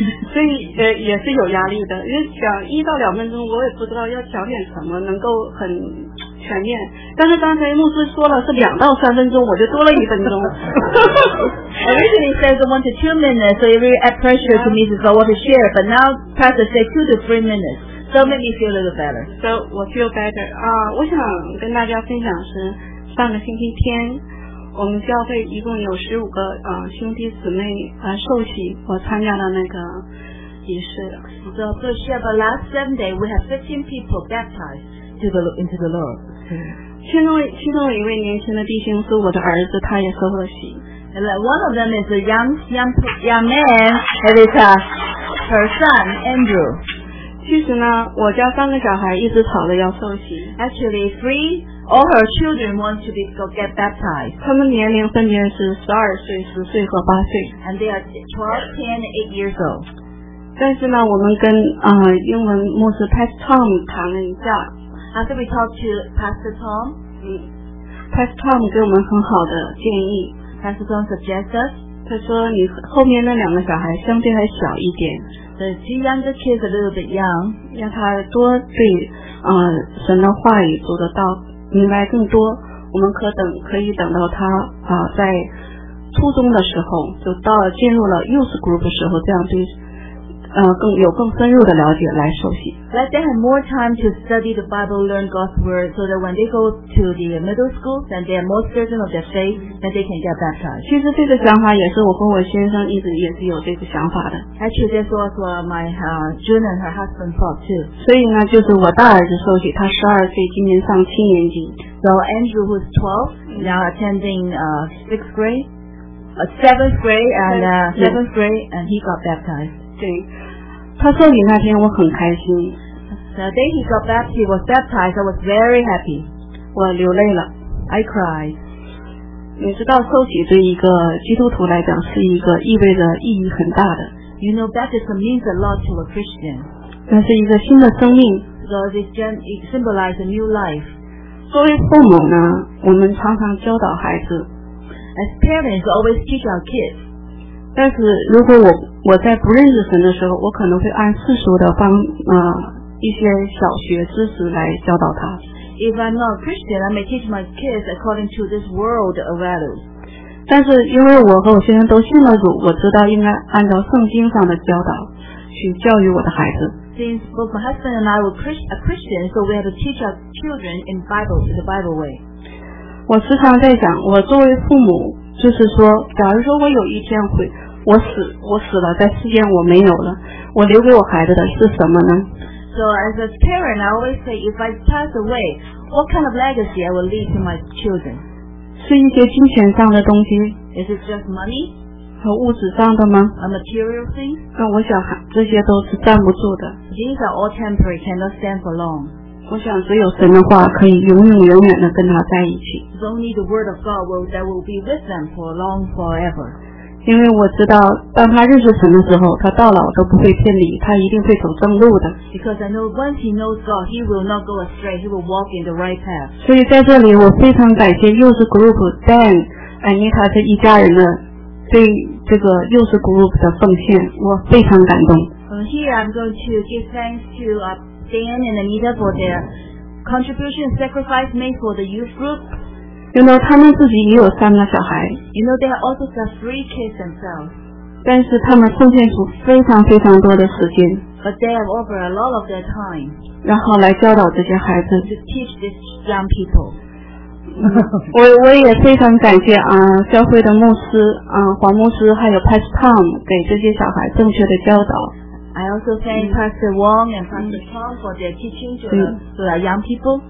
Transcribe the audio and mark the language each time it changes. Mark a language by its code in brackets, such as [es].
[zh] 所以也是有压力的，因为讲一到两分钟，我也不知道要讲点什么能够很。但是刚才牧师说了是两到三分钟，我就多了一分钟。 [en] Originally says 1 to 2 minutes, so you really add pressure to me to want to share. But now pastor say 2 to 3 minutes, so make me feel a little better. So 我 feel better. [zh] 我想跟大家分享是上个星期天，我们教会一共有15个兄弟姊妹受洗，我参加了那个仪式。 [en] So to share about last Sunday, we have 15 people baptized. Into the Lord. [zh] 其中一位年轻的弟兄是我的儿子，他也受了洗。 [en] And like one of them is a young man, and it's her son Andrew. [zh] 其实呢，我家三个小孩一直吵着要受洗。 [en] Actually, three all her children want to be go get baptized. [zh] 他们年龄分别是12岁、10岁和8岁。 [en] And they are 12, 10, and 8 years old. [zh] 但是呢，我们跟英文牧师 Pastor Tom 谈了一下。 [en] After we talk to Pastor Tom, [zh] Pastor Tom 给我们很好的建议。 [en] Pastor Tom suggested, [zh] 他说你后面那两个小孩相对还小一点。 [en] The two younger kids a little bit young, [zh] 让他多对神的话语读得到，明白更多。我们可以等到他在初中的时候，就到了进入了 youth group 的时候，这样对。更深入的了解来受洗。 [en] Let them have more time to study the Bible, learn God's word, so that when they go to the middle school, then they are more certain of their faith, then they can get baptized. [zh] 其实这个想法也是我和我先生一直也是有这个想法的。 [en] Actually, this was what my June and her husband thought too. [zh] 所以呢，就是我大儿子受洗，他12岁，今年上7年级。 [en] So Andrew who's 12, now attending sixth grade, seventh grade, and seventh grade, and he got baptized. [zh] 对，他受洗那天我很开心。 [en] The day he got baptized, he was baptized, I was very happy. [zh] 我流泪了 [en] ，I cried. [zh] 你知道受洗对一个基督徒来讲是一个意味着意义很大的。 [en] You know baptism means a lot to a Christian. [zh] 那是一个新的生命。 [en] So this symbolizes a new life. [zh] 作为父母呢，我们常常教导孩子。 [en] As parents, we always teach our kids. [zh] 但是如果我在不认识神的时候，我可能会按世俗的方一些小学知识来教导他。 [en] If I'm not a Christian, I may teach my kids according to this world of values. [zh] 但是因为我和我先生都信了主，我知道应该按照圣经上的教导去教育我的孩子。 [en] Since both my husband and I were Christian, so we have to teach our children in Bible, the Bible way. [zh] 我时常在想，我作为父母，就是说，假如说我有一天会，我死了，在世间我没有了，我留给我孩子的是什么呢？ [en] So as a parent, I always say, if I pass away, what kind of legacy I will leave to my children? [zh] 是一些金钱上的东西。 [en] Is it just money? [zh] 和物质上的吗？ [en] A material thing? [zh] 那我想这些都是站不住的。 [en] These are all temporary, cannot stand for long. [zh] 我想只有神的话可以永永远远的跟他在一起。 [en] It's only the word of God that will be with them for long forever. [zh] 因为我知道当他认识神的时候他到老都不会偏离他一定会走正路的 [en] Because I know once he knows God he will not go astray he will walk in the right path [zh] 所以在这里我非常感谢幼师 group Dan Anita 这一家人的对这个幼师 group 的奉献我非常感动 [en] From here I'm going to give thanks to Dan and Anita for their contribution and sacrifice made for the youth group You know, [zh] 他们自己也有三个小孩 [en] You know, they also have three kids themselves. [zh] 但是他们奉献出非常非常多的时间 [en] But they have offered a lot of their time. [zh] 然后来教导这些孩子 [en] To teach these young people. [zh] 我也非常感谢教会的牧师黄牧师还有 Pastor Tom 给这些小孩正确的教导 [en] I also thank Pastor Wong and Pastor Tom for their teaching to the young people.